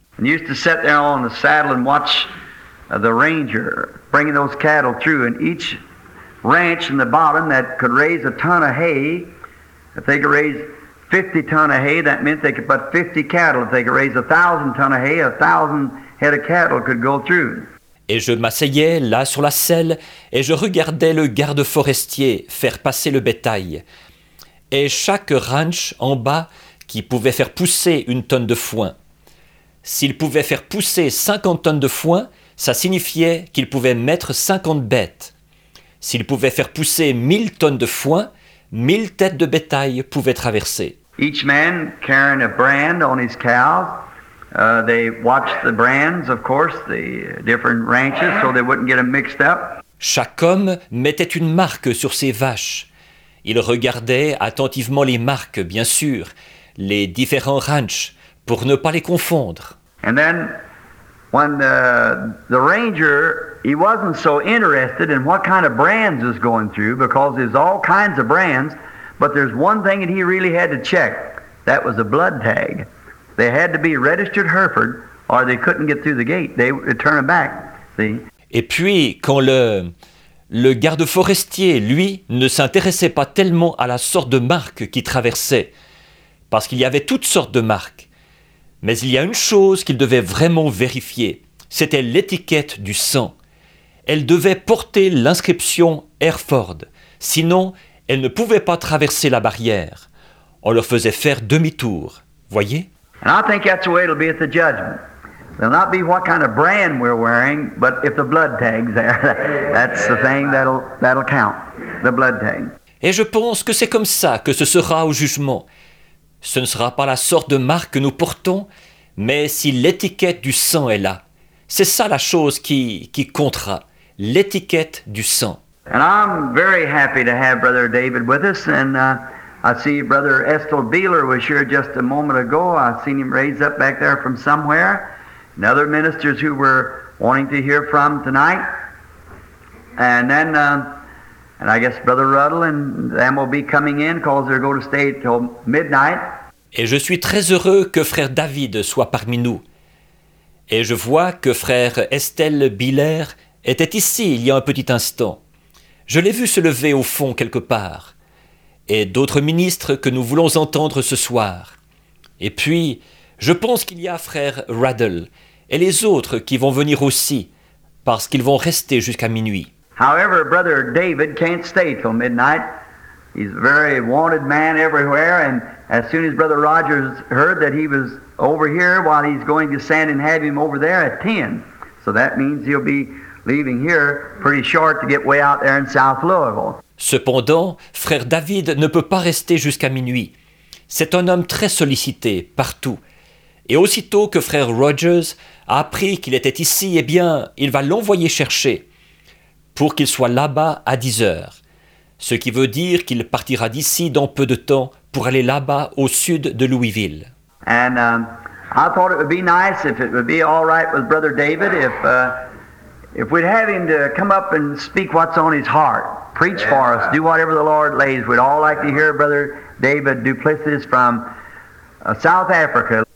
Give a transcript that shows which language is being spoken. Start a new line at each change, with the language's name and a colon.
English: And used to sit there on the saddle and watch the ranger bringing those cattle through, and each ranch in the bottom that could raise a ton of hay, if they could raise 50 ton of hay, that meant they could put 50 cattle. If they could raise 1,000 ton of hay, 1,000 head of cattle could go through.
French: Et je m'asseyais là sur la selle et je regardais le garde forestier faire passer le bétail. Et chaque ranch en bas qui pouvait faire pousser une tonne de foin. S'il pouvait faire pousser 50 tonnes de foin, ça signifiait qu'il pouvait mettre 50 bêtes. S'il pouvait faire pousser 1000 tonnes de foin, 1000 têtes de bétail pouvaient traverser.
English: Each man carrying a brand on his cows. They watched the brands, of course, the different ranches, so they wouldn't get them mixed up.
French: Chaque homme mettait une marque sur ses vaches. Il regardait attentivement les marques, bien sûr, les différents ranches, pour ne pas les confondre.
English: And then, when the ranger, he wasn't so interested in what kind of brands was going through, because there's all kinds of brands, but there's one thing that he really had to check. That was a blood tag. They had to be registered Hereford, or they couldn't get through the gate. They would turn them back. See?
French: Et puis, quand le garde forestier, lui, ne s'intéressait pas tellement à la sorte de marque qui traversait, parce qu'il y avait toutes sortes de marques. Mais il y a une chose qu'il devait vraiment vérifier. C'était l'étiquette du sang. Elle devait porter l'inscription Hereford. Sinon, elle ne pouvait pas traverser la barrière. On leur faisait faire demi-tour. Voyez?
English: And I think that's the way it'll be at the judgment. It'll not be what kind of brand we're wearing, but if the blood tag's there, that's the thing that'll count, the blood tag.
French: Et je pense que c'est comme ça que ce sera au jugement. Ce ne sera pas la sorte de marque que nous portons, mais si l'étiquette du sang est là. C'est ça la chose qui comptera, l'étiquette du sang.
English: And I'm very happy to have Brother David with us, and I see Brother Estel Beeler was here just a moment ago. I seen him raise up back there from somewhere. And other ministers who were wanting to hear from tonight. And then, and I guess Brother Ruddle and them will be coming in because they're going to stay till midnight.
French: Et je suis très heureux que frère David soit parmi nous. Et je vois que frère Estel Beeler était ici il y a un petit instant. Je l'ai vu se lever au fond quelque part. Et d'autres ministres que nous voulons entendre ce soir. Et puis, je pense qu'il y a frère Raddle et les autres qui vont venir aussi, parce qu'ils vont rester jusqu'à minuit.
English: However, brother David can't stay till midnight. He's a very wanted man everywhere, and as soon as brother Rogers heard that he was over here, while he's going to send and have him over there at 10, so that means he'll be leaving here pretty short to get way out there in South Louisville.
French: Cependant, frère David ne peut pas rester jusqu'à minuit. C'est un homme très sollicité, partout. Et aussitôt que frère Rogers a appris qu'il était ici, eh bien, il va l'envoyer chercher pour qu'il soit là-bas à 10 heures. Ce qui veut dire qu'il partira d'ici dans peu de temps pour aller là-bas au sud de Louisville.
English: And I thought it would be nice if it would be all right with brother David if we'd have him to come up and speak what's on his heart. Preach for us, do whatever the Lord lays. We'd all like to hear Brother David Duplessis from South Africa.